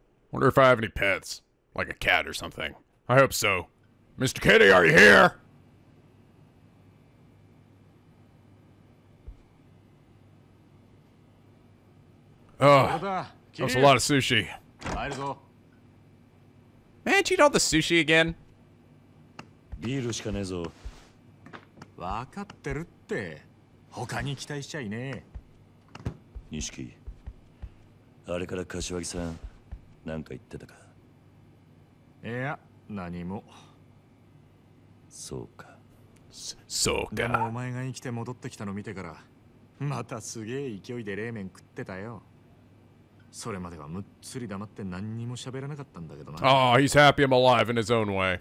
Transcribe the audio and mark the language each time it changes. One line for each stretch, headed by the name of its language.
English: Wonder if I have any pets. Like a cat or something. I hope so. Mr. Kitty, are you here? Oh, that was a lot of sushi. Man, did you eat all the sushi again?
Japanese: ビールしかねえぞ。分かってるって。他に期待しちゃいねえ。錦。あれから柏木さん何か言ってたか。いや、何も。そうか。そうか。でもお前が生きて戻ってきたの見てから、またすげえ勢いで冷麺食ってたよ。それ
English: oh, he's happy I'm alive in his own way.